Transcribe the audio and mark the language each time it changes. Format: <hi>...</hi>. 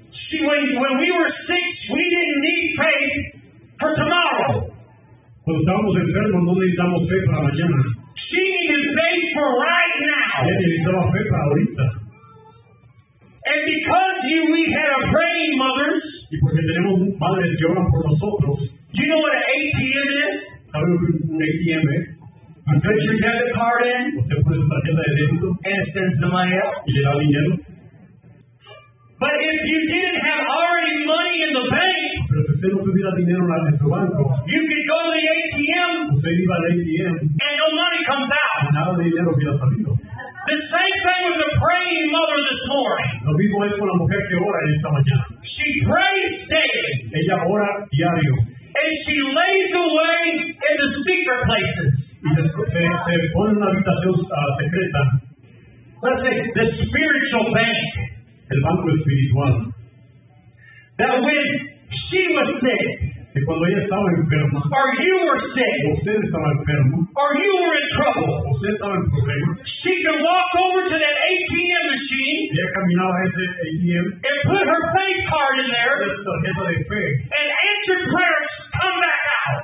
<en>See, when we were sick, we didn't need faith for tomorrow.</en> <es>Cuando estábamos enfermos, no necesitamos fe para mañana.</es> <en>She needed faith for right now.</en> <es>Ella necesitaba fe para ahorita.</es> <en>And because we had a praying mother,</en> <es>y porque tenemos padres que oran por nosotros,</es> <en>do you know what an ATM is?</en> <es>¿Sabes lo que un ATM es?</es> <en>You put your debit card in, and it sends the money out. But if you didn't have already money in the bank,</en> <es>pero si usted no tuviera dinero en su banco,</es> <en>you could go to the ATM,</en> <es>usted iba al ATM,</es> <en>and no money comes out.</en> <es>Nada de dinero hubiera salido.</es> <en>The same thing with the praying mother this morning.</en> <es>Lo mismo es con la mujer que ora esta mañana.</es> <en>She prays daily.</en> <es>Ella ora diario.</es> <en>And she lays away in the secret places.</en> <es>Y se pone en una habitación secreta.</es> <en>let's say, the spiritual bank.</en> <es>El banco espiritual.</es> <en>That when she was sick,</en> <es>que cuando ella estaba enferma,</es> <en>or you were sick,</en> <es>usted estaba enfermo,</es> <en>or you were in trouble,</en> <es>usted estaba en problema,</es> <en>she could walk over to that ATM machine,</en> <es>ella caminaba a ese ATM,</es> <en>and put her faith card in there,</en> <es>la tarjeta de fe,</es> <en>and answer prayers, come back out.</en>